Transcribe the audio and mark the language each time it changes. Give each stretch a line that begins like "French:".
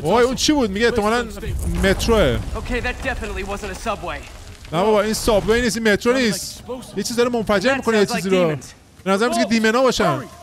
Persian: وای اون چی بود؟ میگه احتمالاً متروه.
English: Okay, that definitely wasn't a subway.
Persian: نه بابا این سابوی نیست، این مترو نیست. یه چیز داره منفجر میکنه یه چیزی رو. به نظر میسه که دیمنا باشن.